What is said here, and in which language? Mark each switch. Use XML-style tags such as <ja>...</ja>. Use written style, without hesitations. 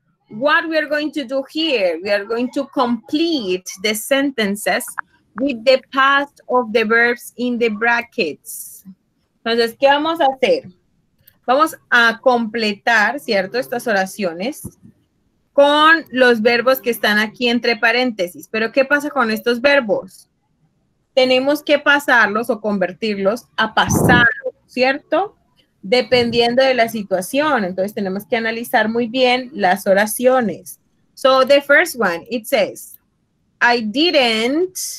<en>What we are going to do here, we are going to complete the sentences with the past of the verbs in the brackets.</en> <es>Entonces, ¿qué vamos a hacer? Vamos a completar, ¿cierto? Estas oraciones con los verbos que están aquí entre paréntesis. Pero, ¿qué pasa con estos verbos? Tenemos que pasarlos o convertirlos a pasado, ¿cierto? Dependiendo de la situación. Entonces, tenemos que analizar muy bien las oraciones.</es> <en>So, the first one, it says, I didn't.</en>